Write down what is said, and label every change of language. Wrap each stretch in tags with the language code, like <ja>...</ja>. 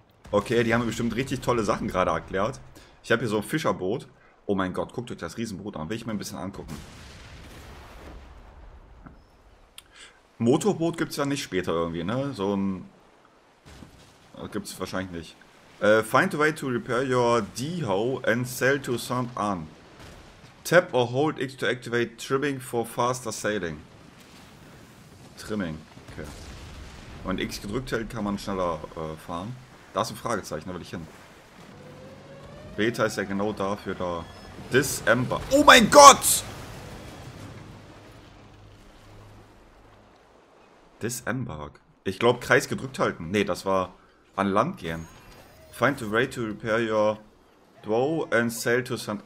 <de>Okay, die haben mir bestimmt richtig tolle Sachen gerade erklärt. Ich habe hier so ein Fischerboot. Oh mein Gott, guckt euch das Riesenboot an. Will ich mir ein bisschen angucken. Motorboot gibt es ja nicht später irgendwie, ne? So ein... gibt es wahrscheinlich nicht.</de> <en>Find a way to repair your D-Hoe and sail to St. Anne. Tap or hold X to activate trimming for faster sailing. Trimming, okay.</en> <de>Wenn man X gedrückt hält, kann man schneller fahren. Da ist ein Fragezeichen, da will ich hin. Beta ist ja genau dafür da. Disember. Oh mein Gott! Disember. Ich glaube, Kreis gedrückt halten. Nee, das war... an Land gehen.</de> <en>Find a way to repair your dhow and sail to St.</en>